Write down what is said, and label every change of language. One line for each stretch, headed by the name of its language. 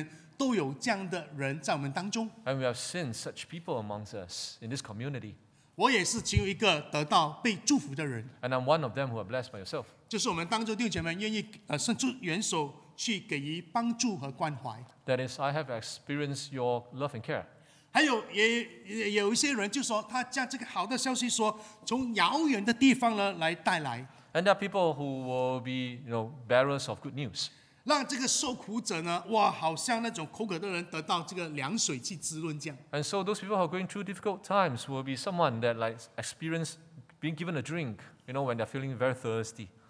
Chinese: 我也看到我们在座的弟兄姐妹都有这样的人在我们当中。
English: And we have seen such people amongst us in this community.
Chinese: 我也是其中一个得到被祝福的人。
English: And I'm one of them who are blessed by yourself.
Chinese: 就是我们当中弟兄姐妹愿意伸出援手去给予帮助和关怀。
English: That is, I have experienced your love and care.
Chinese: 还有也有一些人就说，他将这个好的消息说从遥远的地方呢来带来。
English: And there are people who will be, you know, bearers of good news.
Chinese: 让这个受苦者呢，哇，好像那种口渴的人得到这个凉水去滋润这样。
English: And so those people who are going through difficult times will be someone that like experience being given a drink, you know, when they're feeling very thirsty.